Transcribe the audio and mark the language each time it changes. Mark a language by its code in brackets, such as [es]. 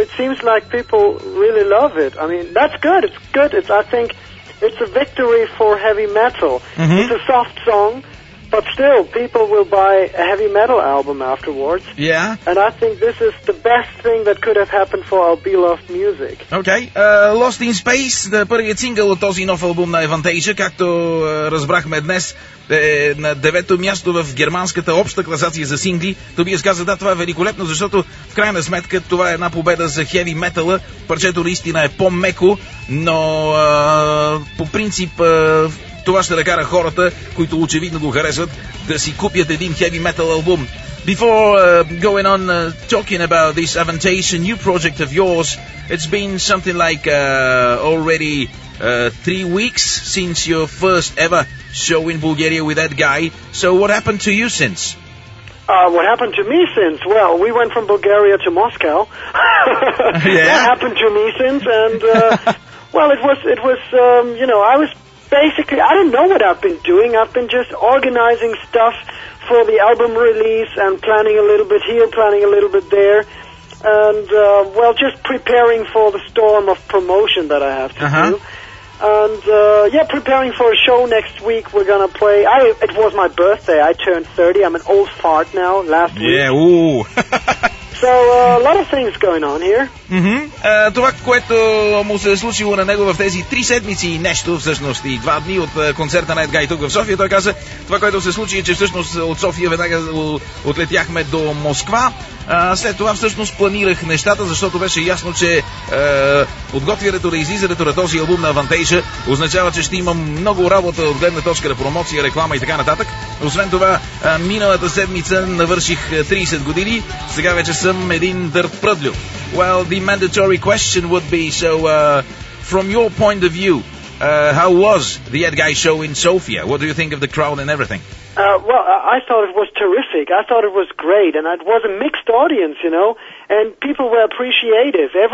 [en] It seems like people really love it. I mean, that's good. It's good. It's, I think, it's a victory for heavy metal. Mm-hmm. It's a soft song, but still, people will buy a heavy metal album afterwards. Yeah. And I think this is the best thing that could have happened for our beloved music. Okay. [bg] Lost in Space, първият сингъл от този нов албум на Avantasia, както разбрахме днес, е на девето място в германската обща класация за сингли. Тобиас каза, да, това е великолепно, защото в крайна сметка това е една победа за хеви метала. Парчето наистина е по-меко, но по принцип това ще накара хората, които очевидно го харесват, да си купят един хеви метал албум. [en] Before going on talking about this Avantasia new project of yours, it's been something like already 3 weeks since your first ever show in Bulgaria with that guy. So what happened to you since? What happened to me since? Well, we went from Bulgaria to Moscow. Yeah. That happened to me since, and well, it was you know, I was basically, I don't know what I've been doing. I've been just organizing stuff for the album release and planning a little bit here, planning a little bit there, and well, just preparing for the storm of promotion that I have to uh-huh. do. And yeah, preparing for a show next week. We're gonna play. It was my birthday. I turned 30. I'm an old fart now. Last yeah, week. Yeah. Ooh. So a lot of things going on here. Mhm. [bg] Това, което му се е случило на него в тези три седмици и нещо всъщност и два дни от концерта на Едгай тук в София, той каза, това, което се случи, е, че всъщност от София веднага отлетяхме до Москва. След това всъщност планирах нещата, защото беше ясно, че подготвянето да излизането на този албум на Avantasia означава, че ще имам много работа от гледна точка на промоция, реклама и така нататък. Освен това, миналата седмица навърших 30 години, сега вече съм един дърт пръдлю. [en] Well, the mandatory question would be, so from your point of view, how was the Edguy show in Sofia? What do you think of the crowd and everything? Well, I thought it was terrific. I thought it was great, and it was a mixed audience, you know, and people were appreciative.